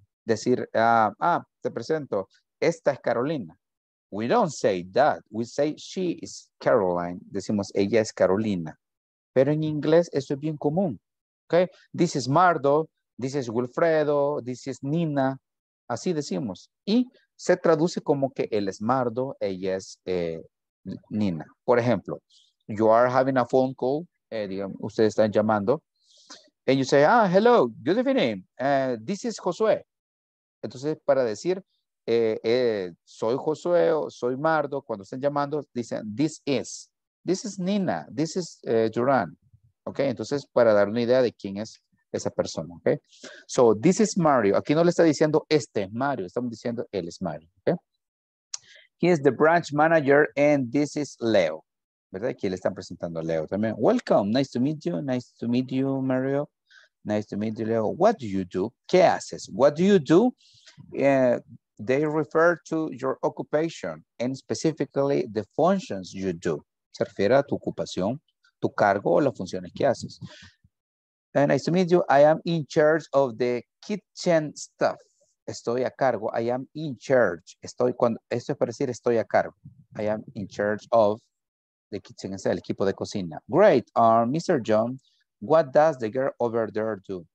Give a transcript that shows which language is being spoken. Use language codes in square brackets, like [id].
[es] Decir, te presento, esta es Carolina. [en] We don't say that, we say she is Caroline. [es] Decimos, ella es Carolina. Pero en inglés, eso es bien común. Okay? [en] This is Mardo, this is Wilfredo, this is Nina. [es] Así decimos. Y se traduce como que él es Mardo, ella es Nina. Por ejemplo, [en] you are having a phone call, [es] digamos, ustedes están llamando, [en] and you say, hello, good evening, this is Josué. [es] Entonces, para decir, soy Josué o soy Mardo, cuando están llamando, dicen, [en] this is Nina, this is Duran. [es] Ok, entonces, para dar una idea de quién es esa persona, ok. [en] So, this is Mario, [es] aquí no le está diciendo este es Mario, estamos diciendo él es Mario, ok. [en] He is the branch manager and this is Leo. [es] ¿Verdad? Aquí le están presentando a Leo también. [en] Welcome. Nice to meet you, Mario. Nice to meet you, Leo. What do you do? [es] ¿Qué haces? [en] What do you do? They refer to your occupation and specifically the functions you do. [es] Se refiere a tu ocupación, tu cargo o las funciones que haces. [en] Nice to meet you. I am in charge of the kitchen stuff. [es] Estoy a cargo. [en] I am in charge. [es] Estoy cuando, esto es para decir estoy a cargo. [en] I am in charge of the kitchen, [es] es el equipo de cocina. [en] Great. Mr. John, what does the girl over there do?